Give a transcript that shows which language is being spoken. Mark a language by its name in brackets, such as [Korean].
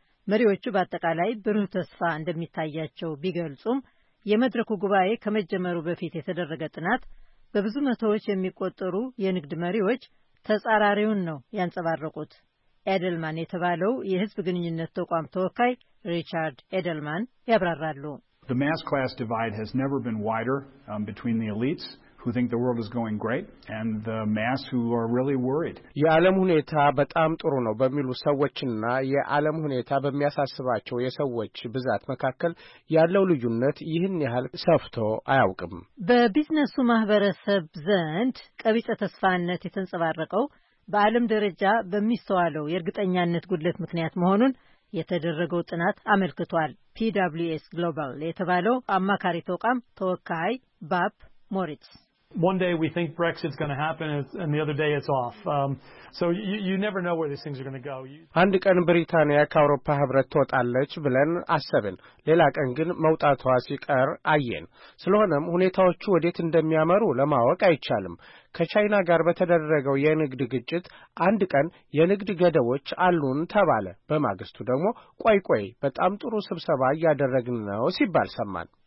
[Amharic] መሪዎቹ በአጠቃላይ ብሩህ ተስፋ እንደሚታያቸው ቢገልጹም የመድረኩ ጉባኤ ከመጀመሩ በፊት የተደረገ ጥናት በብዙ መቶዎች የሚቆጠሩ የንግድ መሪዎች ተጻራሪውን ነው ያንጸባረቁት። ኤደልማን የተባለው የሕዝብ ግንኙነት ተቋም ተወካይ ሪቻርድ ኤደልማን ያብራራሉ። [English] The mass class divide has never been wider between the elites who think the world is going great and the mass who are really worried. [Amharic] የዓለም ሁኔታ በጣም ጥሩ ነው በሚሉ ሰዎችና የዓለም ሁኔታ በሚያሳስባቸው የሰዎች ብዛት መካከል ያለው ልዩነት ይህን ያህል ሰፍቶ አያውቅም። በቢዝነሱ ማህበረሰብ ዘንድ ቀቢጸ ተስፋነት የተንጸባረቀው በዓለም ደረጃ በሚስተዋለው የእርግጠኛነት ጉድለት ምክንያት መሆኑን የተደረገው ጥናት አመልክቷል። PWS Global የተባለው አማካሪ ተቋም ተወካይ ባፕ ሞሪትስ [English] One day we think Brexit's going to happen and the other day it's off. So you never know where these things are going to go. [Amharic] አንድ ቀን ብሪታንያ ከአውሮፓ ህብረት ተወጣለች ብለን አሰብን። ሌላ ቀን ግን መውጣቷ ሲቀር አየን። ስለሆነም ሁኔታዎቹ ወዴት እንደሚያመሩ ለማወቅ አይቻልም። ከቻይና ጋር በተደረገው የንግድ ግጭት አንድ ቀን የንግድ ገደቦች አሉን ተባለ። በማግስቱ ደግሞ ቆይ በጣም ጥሩ ስብሰባ ያደረግን ነው ሲባል ሰማን።